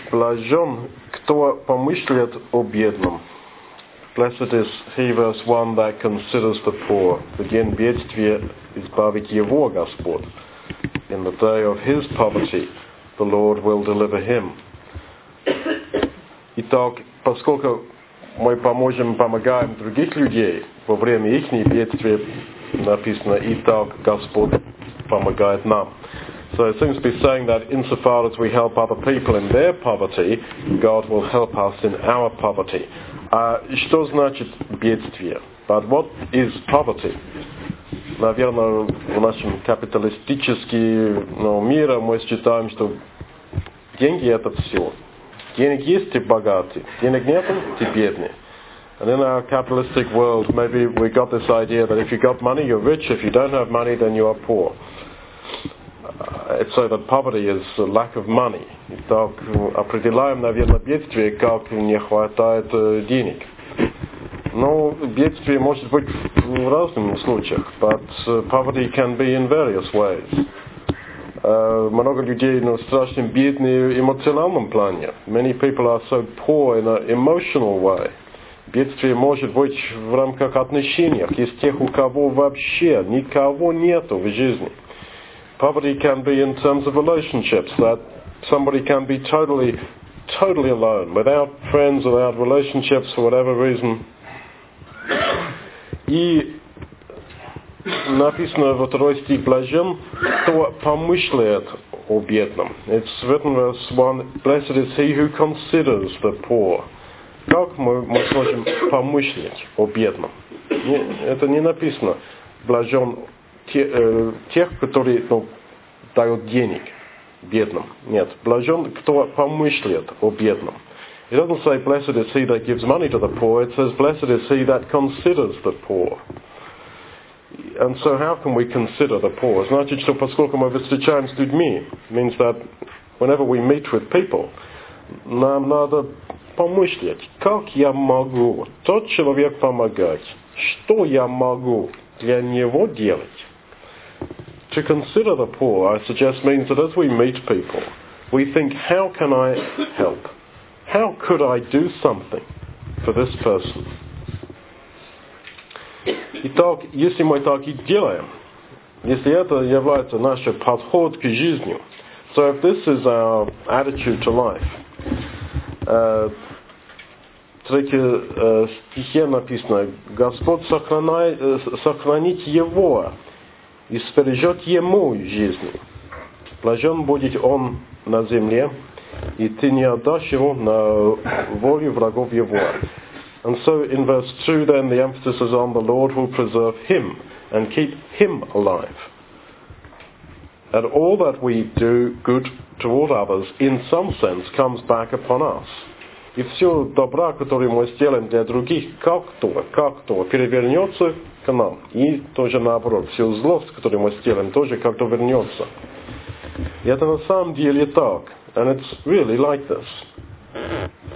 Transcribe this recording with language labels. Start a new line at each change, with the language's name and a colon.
Russian: Блажен, кто помышляет о бедном.
English: Blessed is he, verse 1, that considers the poor.
Russian: В день бедствия избавит его Господь.
English: In the day of his poverty, the Lord will deliver him.
Russian: Итак, поскольку мы помогаем других людей во время их бедствия, написано, итак, Господь помогает нам.
English: So it seems to be saying that insofar as we help other people in their poverty, God will help us in our poverty.
Russian: Что значит бедствие?
English: But what is poverty?
Russian: Наверное, в нашем капиталистическом мире мы считаем, что деньги — это все. Денег есть — ты богатый, денег нет — ты бедный.
English: And in our capitalistic world, maybe we got this idea that if you got money, you're rich. If you don't have money, then you are poor. It's so that poverty is a lack of money.
Russian: Итак, определяем, наверное, бедствие, как не хватает денег. Но бедствие может быть в разных случаях,
English: but poverty can be in various ways.
Russian: Много людей на страшно бедны в эмоциональном плане.
English: Many people are so poor in an emotional way.
Russian: Бедствие может быть в рамках отношений, из тех, у кого вообще никого нету в жизни.
English: Poverty can be in terms of relationships, that somebody can be totally, totally alone, without friends, without relationships, for whatever reason.
Russian: И написано во второй стих, блажен, кто помышляет о бедном.
English: It's written verse 1, blessed is he who considers the poor.
Russian: Как мы сможем помышлять о бедном? Это не написано. Блажен тех, которые дают денег бедным. Нет. Блажен, кто помышляет о бедном.
English: It doesn't say, blessed is he that gives money to the poor. It says, blessed is he that considers the poor. And so how can we consider the poor?
Russian: Значит, что поскольку мы встречаем с людьми,
English: means that whenever we meet with people,
Russian: нам надо помышлять, как я могу тот человек помогать, что я могу для него делать.
English: To consider the poor, I suggest, means that as we meet people, we think, how can I help? How could I do something for this person?
Russian: Итак, если мы так и делаем, если это является нашим подходом к жизни,
English: so if this is our attitude to life,
Russian: в третьем стихе написано, Господь сохранит его и сбережет ему жизнь. Блажен будет он на земле, и ты не отдашь его на волю врагов его.
English: And so in verse 2 then the emphasis is on the Lord who preserve him and keep him alive. And all that we do good toward others in some sense comes back upon us.
Russian: И все добро, которое мы сделаем для других, как-то перевернется к нам. И тоже наоборот, все зло, которое мы сделаем, тоже как-то вернется. И это на самом деле так.
English: And it's really like this.